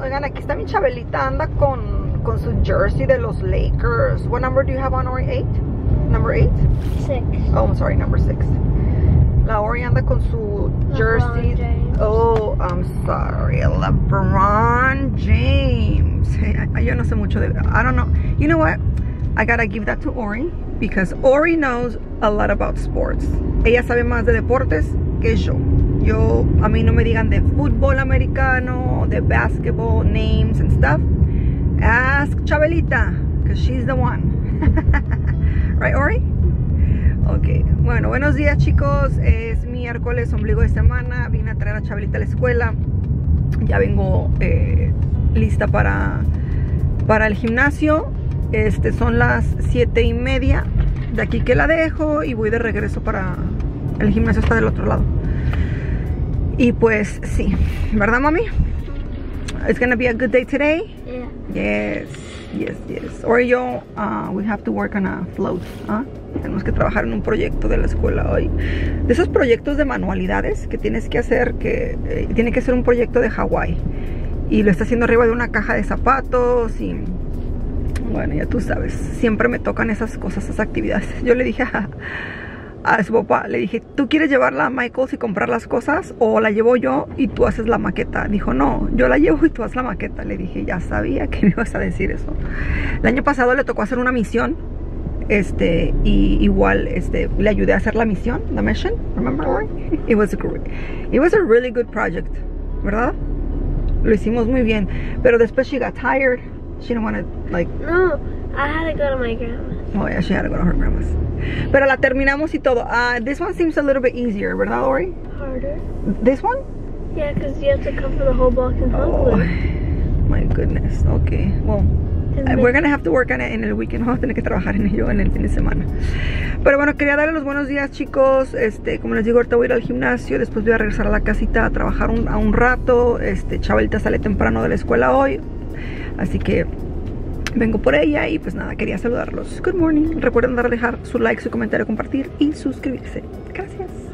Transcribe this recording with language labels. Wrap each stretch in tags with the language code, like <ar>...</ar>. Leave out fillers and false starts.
<es>Oigan, aquí está mi Chabelita, anda con su jersey de los Lakers.</es> <en>What number do you have on, Ori? Eight? Number eight? Six. Oh, I'm sorry, number six.</en> <es>La Ori anda con su jersey.</es> <en>LeBron James. Oh, I'm sorry, LeBron James. Hey,</en> <es>yo no sé mucho de...</es> <en>I don't know. You know what? I gotta give that to Ori, because Ori knows a lot about sports.</en> <es>Ella sabe más de deportes que yo. Yo, a mí no me digan de fútbol americano, de basketball,</es> <en>names and stuff. Ask Chabelita, because she's the one. Right, Ori?</en> <es>Ok, bueno, buenos días, chicos. Es miércoles, ombligo de semana. Vine a traer a Chabelita a la escuela. Ya vengo lista para el gimnasio. Son las 7:30. De aquí que la dejo y voy de regreso para... El gimnasio está del otro lado. Y pues, sí. ¿Verdad, mami?</es> <en>It's gonna be a good day today. Yeah. Yes. Or yo, we have to work on a float.</en> <es>Tenemos que trabajar en un proyecto de la escuela hoy. De esos proyectos de manualidades que tienes que hacer, que tiene que ser un proyecto de Hawái. Y lo está haciendo arriba de una caja de zapatos y... Bueno, ya tú sabes. Siempre me tocan esas cosas, esas actividades. Yo le dije a su papá, le dije, ¿tú quieres llevarla a Michael's y comprar las cosas? ¿O la llevo yo y tú haces la maqueta? Dijo, no, yo la llevo y tú haces la maqueta. Le dije, ya sabía que me ibas a decir eso. El año pasado le tocó hacer una misión, y igual, le ayudé a hacer la misión,</es> <en>the mission, remember? It was a really good project,</en> <es>¿verdad? Lo hicimos muy bien, pero después</es> <en>she got tired, she didn't want to, like... No, I had to go to my grandma's. Oh, yeah, she had to go to her grandma's.</en> <es>Pero la terminamos y todo.</es> <en>This one seems a little bit easier,</en> <es>¿verdad, Ori?</es> <en>Harder. This one? Yeah, because you have to cover the whole block in chocolate. Oh, my goodness. Okay. Well, we're going to have to work on it in the weekend.</en> <es>Vamos a tener que trabajar en ello en el fin de semana. Pero bueno, quería darle los buenos días, chicos. Como les digo, ahorita voy a ir al gimnasio. Después voy a regresar a la casita a trabajar a un rato. Chabelita sale temprano de la escuela hoy. Así que... Vengo por ella y pues nada, quería saludarlos.</es> <en>Good morning.</en> <es>Recuerden dejar su like, su comentario, compartir y suscribirse. Gracias.</es>